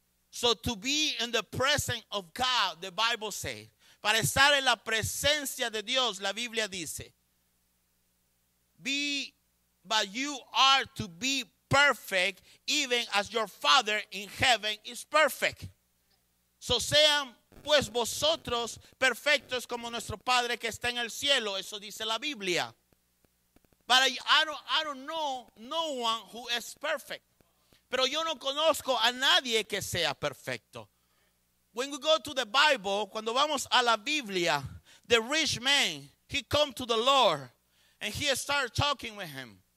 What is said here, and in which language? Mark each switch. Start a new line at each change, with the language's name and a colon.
English: So to be in the presence of God, the Bible says,
Spanish: para estar en la presencia de Dios, la Biblia dice,
English: but you are to be perfect even as your Father in heaven is perfect.
Spanish: So sean pues vosotros perfectos como nuestro Padre que está en el cielo. Eso dice la Biblia.
English: But I don't know no one who is perfect.
Spanish: Pero yo no conozco a nadie que sea perfecto.
English: When we go to the Bible,
Spanish: cuando vamos a la Biblia,
English: the rich man, he come to the Lord and he started talking with him.